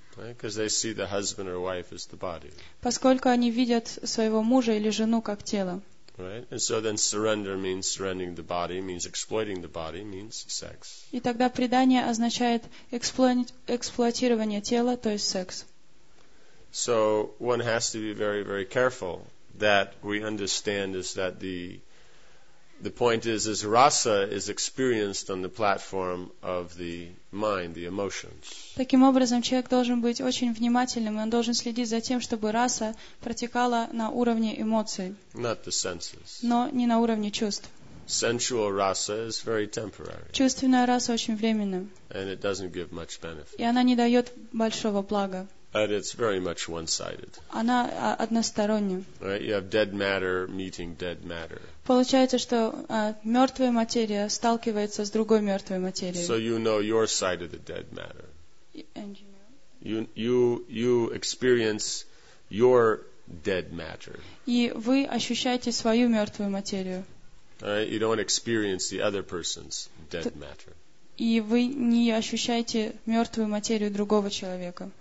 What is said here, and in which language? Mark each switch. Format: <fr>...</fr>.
<en>Because they see the husband or wife as the body.</en> <ru>Поскольку они видят своего мужа или жену как тело.</ru> <en>Right, and so then surrender means surrendering the body, means exploiting the body, means sex.</en> <ru>И тогда предание означает эксплуатирование тела, то есть секс.</ru> <en>So one has to be very, very careful that we understand is that the point is rasa is experienced on the platform of the mind, the emotions.</en> <ru>Таким образом, человек должен быть очень внимательным, и он должен следить за тем, чтобы раса протекала на уровне эмоций.</ru> <en>Not the senses.</en> <ru>Но не на уровне чувств.</ru> <en>Sensual rasa is very temporary.</en> <ru>Чувственная раса очень временна.</ru> <en>And it doesn't give much benefit.</en> <ru>И она не дает большого блага.</ru> <en>And it's very much one-sided.</en> <ru>Она односторонняя.</ru> <en>Right? You have dead matter meeting dead matter.</en> <ru>Получается, что мертвая материя сталкивается с другой мертвой материей.</ru> <en>So you know your side of the dead matter. You experience your dead matter.</en> <ru>И вы ощущаете свою мертвую материю.</ru> <en>Right? You don't experience the other person's dead matter.</en> <ru>И вы не ощущаете мертвую материю другого человека.</ru>